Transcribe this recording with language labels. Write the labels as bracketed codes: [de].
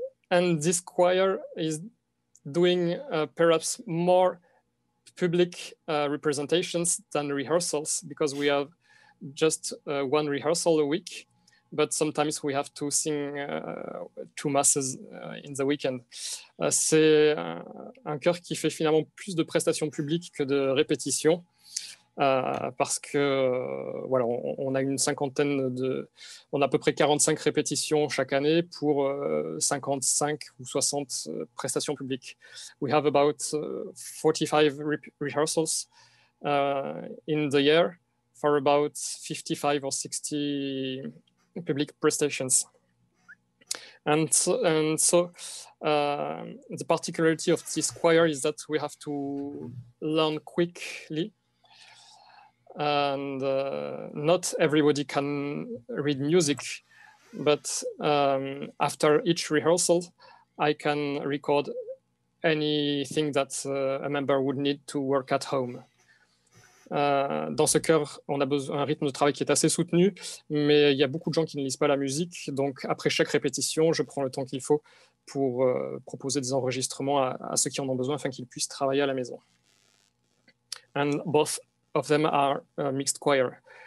[en] And this choir is doing perhaps more public representations than rehearsals, because we have just one rehearsal a week, but sometimes we have to sing two masses in the weekend. [fr] C'est un chœur qui fait finalement plus de prestations publiques que de répétitions, parce que voilà, on a une cinquantaine de, on a à peu près 45 répétitions chaque année pour 55 ou 60 prestations publiques. [en] We have about 45 rehearsals in the year for about 55 or 60 public prestations. And so the particularity of this choir is that we have to learn quickly. And not everybody can read music, but after each rehearsal, I can record anything that a member would need to work at home. [fr] Dans ce chœur, on a besoin d'un rythme de travail qui est assez soutenu, mais il y a beaucoup de gens qui ne lisent pas la musique. Donc après chaque répétition, je prends le temps qu'il faut pour proposer des enregistrements à ceux qui en ont besoin afin qu'ils puissent travailler à la maison. [en] And both of them are mixed choirs.